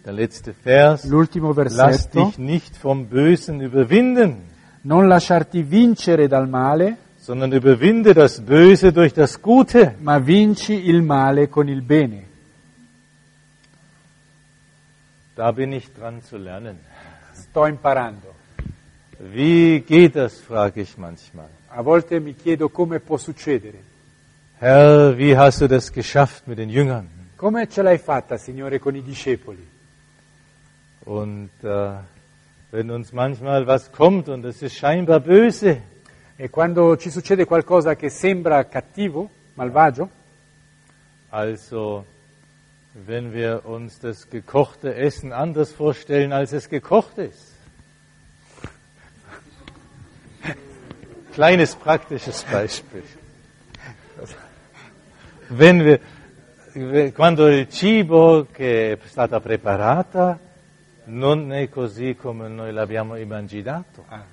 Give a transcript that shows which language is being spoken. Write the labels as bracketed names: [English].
[German] Der letzte Vers, [Italian] l'ultimo versetto. [German] Lass dich nicht vom Bösen überwinden. [Italian] Non lasciarti vincere dal male. [German] Sondern überwinde das Böse durch das Gute. [Italian] Ma vinci il male con il bene. [German] Da bin ich dran zu lernen. [Italian] Sto imparando. [German] Wie geht das, frage ich manchmal. [Italian] A volte mi chiedo come può succedere. [German] Herr, wie hast du das geschafft mit den Jüngern? [Italian] Come ce l'hai fatta, Signore, con i discepoli? [German] Und wenn uns manchmal was kommt und es ist scheinbar böse. [Italian] E quando ci succede qualcosa che sembra cattivo, malvagio? [German] Also, wenn wir uns das gekochte Essen anders vorstellen, als es gekocht ist. Kleines praktisches Beispiel. Wenn wir, [Italian] quando il cibo che è stata preparata non è così come noi l'abbiamo immaginato.